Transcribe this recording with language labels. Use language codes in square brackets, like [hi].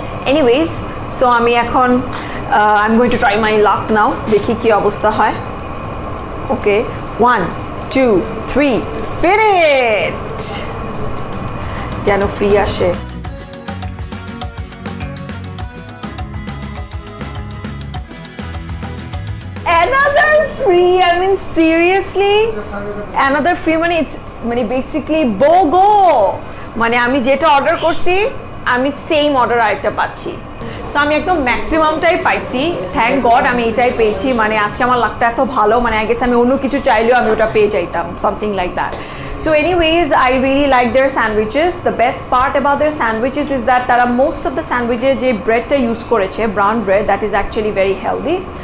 [en] anyways so আমি এখন I am going to try my luck now [bn] দেখি কী অবস্থা হয় [en] okay 1 2 3 spin it [bn] যেন ফ্রি আসে [en] Another free, I mean seriously? Another free মানে it's মানে basically BOGO! [bn] মানে আমি যেটা অর্ডার করছি আমি সেম অর্ডার আরেকটা পাচ্ছি তো আমি একদম ম্যাক্সিমামটাই পাইছি থ্যাংক গড আমি এটাই পেয়েছি মানে আজকে আমার লাকটা এত ভালো মানে আগে আমি অন্য কিছু চাইলেও আমি ওটা পেয়ে যাইতাম [en] something like that so anyways I really like their sandwiches the best part about their sandwiches is that তারা most of the স্যান্ডউইচে যে ব্রেডটা use করেছে brown bread that is actually very healthy